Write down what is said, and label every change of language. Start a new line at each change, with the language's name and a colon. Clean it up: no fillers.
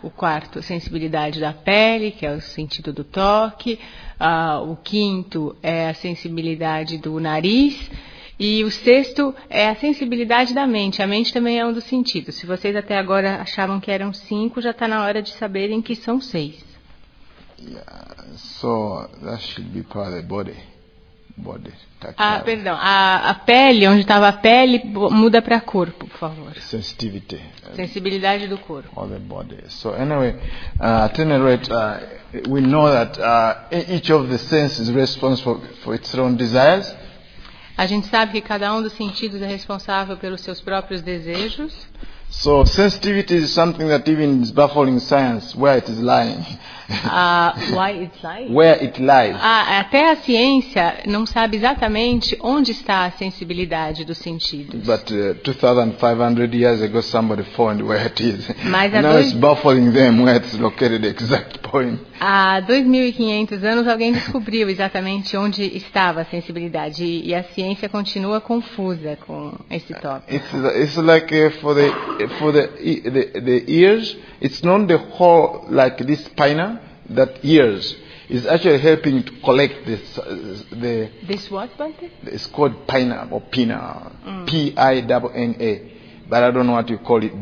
Portuguese: O quarto, sensibilidade da pele, que é o sentido do toque. O quinto é a sensibilidade do nariz. E o sexto é a sensibilidade da mente. A mente também é um dos sentidos. Se vocês até agora achavam que eram cinco, já está na hora de saberem que são seis.
English: Yeah, so that should be part of the body.
Portuguese: A pele, onde estava a pele, muda para corpo, por favor.
English: Sensitivity.
Portuguese: Sensibilidade do corpo.
English: All the body. So anyway, at any rate, we know that each of the senses is responsible for its own desires.
Portuguese: A gente sabe que cada um dos sentidos é responsável pelos seus próprios desejos.
English: So sensitivity is something that even is baffling science where it is lying. Why it's lying? Where it lies.
Portuguese: Até a ciência não sabe exatamente onde está a sensibilidade dos sentidos.
English: But 2500 years ago somebody found where it is.
Portuguese: Mas
English: now it's baffling them where it's located the exact point.
Portuguese: Há 2500 anos alguém descobriu exatamente onde estava a sensibilidade e a ciência continua confusa com esse tópico.
English: It's like for the ears, it's not the whole like this spina that ears is actually helping to collect this what, Bante? It's called pina or pina, P-I-N-N-A, but I don't know what you call it.